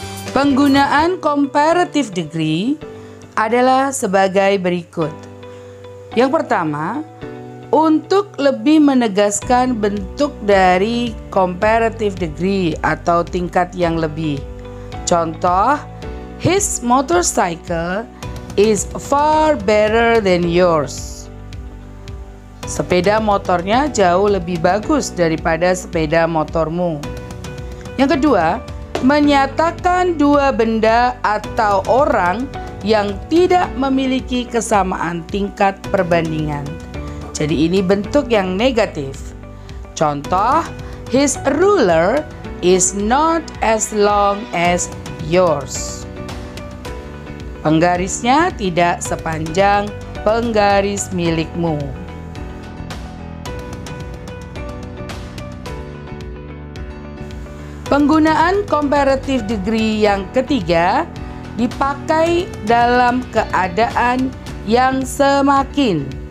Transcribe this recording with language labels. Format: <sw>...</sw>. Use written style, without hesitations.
<id>Penggunaan comparative degree adalah sebagai berikut. Yang pertama, untuk lebih menegaskan bentuk dari comparative degree atau tingkat yang lebih.</id> <en>Contoh, his motorcycle is far better than yours.</en> <id>Sepeda motornya jauh lebih bagus daripada sepeda motormu. Yang kedua, menyatakan dua benda atau orang yang tidak memiliki kesamaan tingkat perbandingan. Jadi ini bentuk yang negatif.</id> <en>Contoh, his ruler is not as long as yours.</en> <id>Penggarisnya tidak sepanjang penggaris milikmu. Penggunaan comparative degree yang ketiga dipakai dalam keadaan yang semakin.</id>